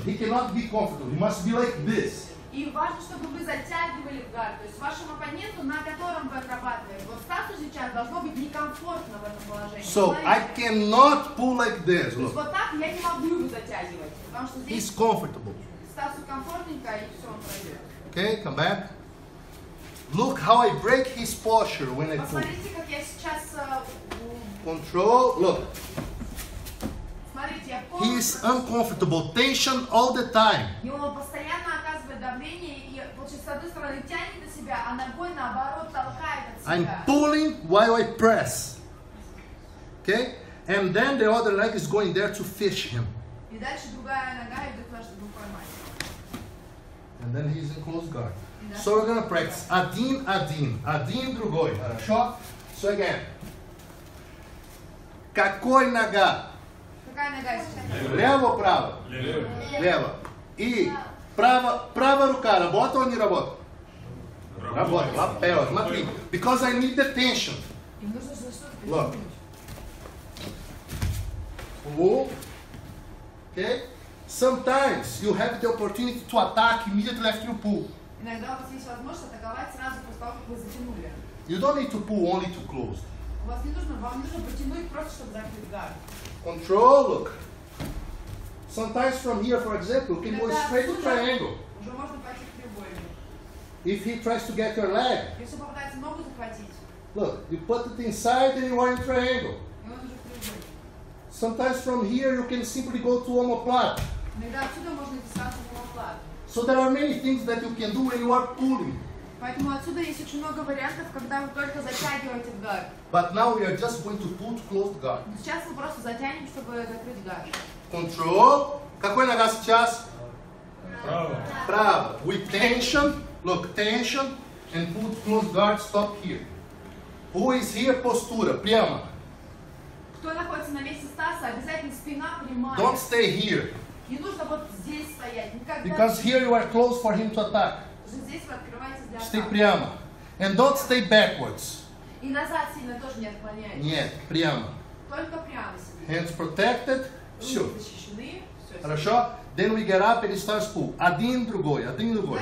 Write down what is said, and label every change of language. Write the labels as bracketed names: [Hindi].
[English] He cannot be comfortable. He must be like this. [Russian] И важно, чтобы вы затягивали гард. То есть вашему оппоненту, на котором вы отрабатываете, вот статус сейчас должно быть некомфортно в этом положении. [English] So I cannot pull like this. [Russian] То есть вот так я не могу его затягивать, потому что здесь. [English] He's comfortable. [Russian] Статус комфортненько и все он пройдет. [English] Okay, come back. Look how I break his posture when I pull. [Russian] Посмотрите, как я сейчас. [English] Control. Look. [Russian] Смотрите, я [English] he is uncomfortable. Tension all the time. [Russian] И он постоянно оказывает давление и получается с одной стороны тянет на себя, а ногой наоборот толкает от себя. [English] I'm pulling while I press. Okay? And then the other leg is going there to fish him. [Russian] И дальше другая нога идет туда, чтобы поймать. [English] And then he's in close guard. So we're gonna practice. [Russian] Один, один. Один, другой. Хорошо? [English] So again. [Russian] Какой нога? Какая нога сейчас? Лево, право? Лево. И право, правая рука работает или не работает? Работает. Лапел. Смотри. [English] Because I need the tension. Look. Okay? Sometimes you have the opportunity to attack immediately after you pull. [Russian] Иногда у вас есть возможность атаковать сразу после того, как вы затянули. [English] You don't need to pull only to close. [Russian] У вас не нужно, вам нужно потянуть просто, чтобы закрыть гард. [English] Control, look. Sometimes from here, for example, you can go straight to triangle. [Russian] Уже можно пойти в треугольник. [English] If he tries to get your leg. [Russian] Если он попытается ногу захватить. [English] Look, you put it inside and you are in triangle. [Russian] И он уже в треугольник. [English] Sometimes from here you can simply go to omoplat. [Russian] Иногда отсюда можно идти сразу в омоплат. [English] So there are many things that you can do when you are pulling. [Russian] Поэтому отсюда есть очень много вариантов, когда вы только затягиваете гард. [English] But now we are just going to pull to close the guard. [Russian] Сейчас мы просто затянем, чтобы закрыть гард. [English] Control. [Russian] Какой нога сейчас? Правая. Правая. [English] With tension. Look, tension. And pull to close guard. Stop here. Who is here? Postura. [Russian] Прямо. Кто находится на месте Стаса, обязательно спина прямая. [English] Don't stay here. [Russian] Не нужно вот здесь стоять. Никогда. [English] Because here you are close for him to attack. [Russian] Здесь вы открываетесь для атаки. [English] Stay [Russian] прямо. [English] And don't stay backwards. [Russian] И назад сильно тоже не отклоняйтесь. Нет, прямо. Только прямо сидите. [English] Hands protected. [Russian] Руки все. Защищены. Все. Хорошо? [English] Then we get up and start pull. [Russian] Один, другой, один, другой.